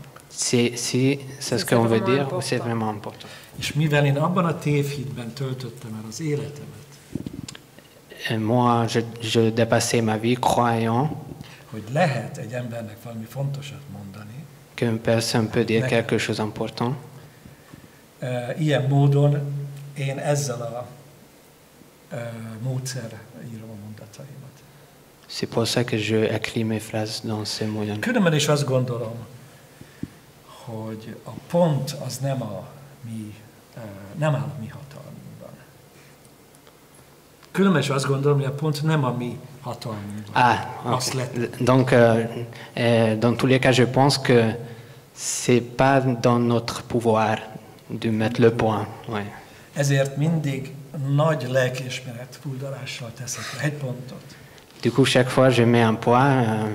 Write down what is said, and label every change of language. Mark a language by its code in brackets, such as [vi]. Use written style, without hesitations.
[fr] Si c'est ce qu'on veut dire, c'est vraiment important. [hu] És mivel én abban a tévhitben töltöttem el az életemet, [fr] et moi, je dépassais ma vie croyant, [hu] hogy lehet egy embernek valami fontosat mondani, [fr] qu'une personne peut dire quelque chose d'important. [hu] Ilyen módon én ezzel a módszerrel írom a mondataimat. [fr] C'est pour ça que je écris mes phrases dans ce moyen. [hu] Különben is azt gondolom, hogy a pont az nem a mi, nem áll a mi hatalmunkban. Különben is azt gondolom, hogy a pont nem a mi hatalmunkban. Ah, okay. [fr] Donc, dans tous les cas, je pense que c'est pas dans notre pouvoir de mettre le point. Ouais. [hu] Ezért mindig nagy lelkiismeret fuldalással teszek egy pontot. [fr] Du coup, chaque fois, je mets un point.